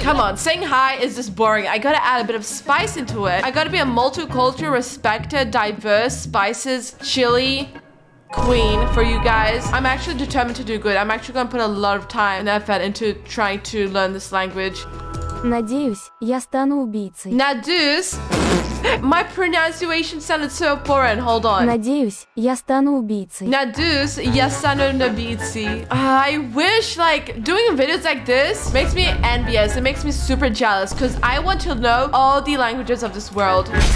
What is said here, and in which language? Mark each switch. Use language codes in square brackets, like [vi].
[en] Come on, saying hi is just boring. I gotta add a bit of spice into it. I gotta be a multicultural, respected, diverse, spices, chili queen for you guys. I'm actually determined to do good. I'm actually gonna put a lot of time and effort into trying to learn this language. [ru] Надеюсь, я стану убийцей. Надеюсь? [en] My pronunciation sounded so foreign. Hold on. [ru] Надеюсь, я стану убийцей. Надеюсь, я стану убийцей. [en] I wish, like, doing videos like this makes me envious. It makes me super jealous because I want to know all the languages of this world.